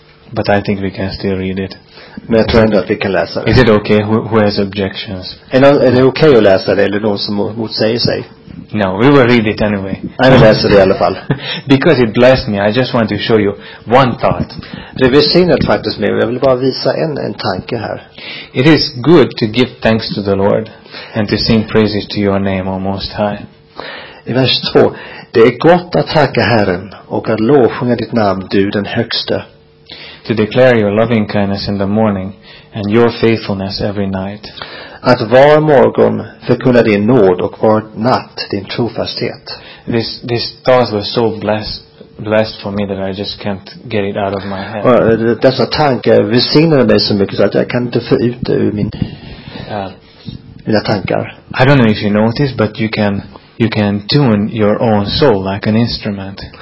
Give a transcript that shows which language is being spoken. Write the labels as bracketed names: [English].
[English] But I think we can still read it. [Swedish] Men jag tror ändå att vi kan läsa det. [English] Is it okay? Who has objections? [Swedish] Är det okej att läsa det eller någon som motsäger sig? [English] No, we will read it anyway. [Swedish] Jag vill läsa det i alla fall. [English] Because it blessed me, I just want to show you one thought. [Swedish] Det blir synat faktiskt med, jag vill bara visa en tanke här. [English] It is good to give thanks to the Lord and to sing praises to your name, O Most High. [Swedish] I vers 2, det är gott att tacka Herren och att lovsjunga ditt namn, du den högsta. [English] To declare your loving kindness in the morning and your faithfulness every night. [Swedish] Att var morgon förkunna din nåd och var natt din trofasthet. [English] This thought was so blessed for me that I just can't get it out of my head. [Swedish] Dessa tankar välsignade mig så mycket så att jag kan inte få ut det ur mina tankar. [English] I don't know if you noticed, but you can tune your own soul like an instrument.